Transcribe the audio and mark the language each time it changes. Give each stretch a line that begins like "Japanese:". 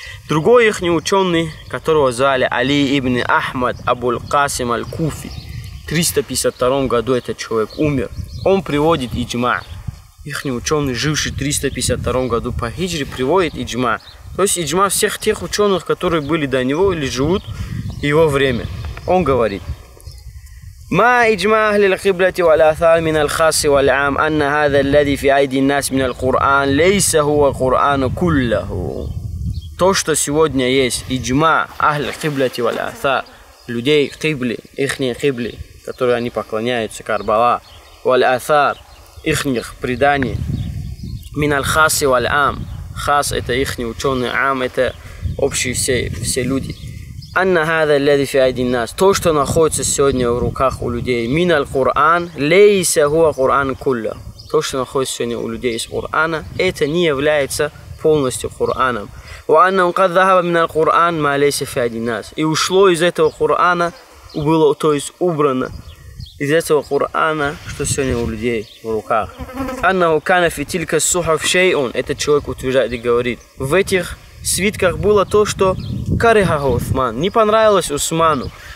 Russian: Другой их ученый, которого звали Али ибн Ахмад Абу-Л-Касим Аль-Куфи, в 352 году этот человек умер, он приводит иджма. Их ученый, живший в 352 году по хиджре, приводит иджма. То есть иджма всех тех ученых, которые были до него или живут в его время. Он говорит,
Arabic: ما إجماع أهل القبلة والأثار من الخاص والعام أن هذا الذي في أيدي الناس من القرآن ليس هو القرآن كله.
Russian: То, что сегодня есть
Arabic: иджма ахль кибляти валь аса,
Russian: людей кибли, ихние кибли, которые они поклоняются, Карбала,
Arabic: валь асар,
Russian: ихних преданий,
Arabic: мин аль хаси валь ам,
Russian: хас это ихние ученые, ам это общие все люди.
Arabic: Анна хаза лядзи фи айди нас,
Russian: то, что находится сегодня в руках у людей,
Arabic: мин аль Кур'ан, лейся хуа Кур'ан кулля.
Russian: То, что находится сегодня у людей из Кур'ана, это не является полностью Кур'аном.
Arabic: وأن قد ذهب من القرآن ما ليس في أيدي الناس.
Russian: И ушло из этого Корана, было, то есть убрано из этого Корана, что сегодня у людей в руках.
Arabic: أنه كان في تلك الصحف شيء.
Russian: Этот человек утверждает и говорит, в этих свитках было то, что
Arabic: كرهه عثمان,
Russian: не понравилось Усману.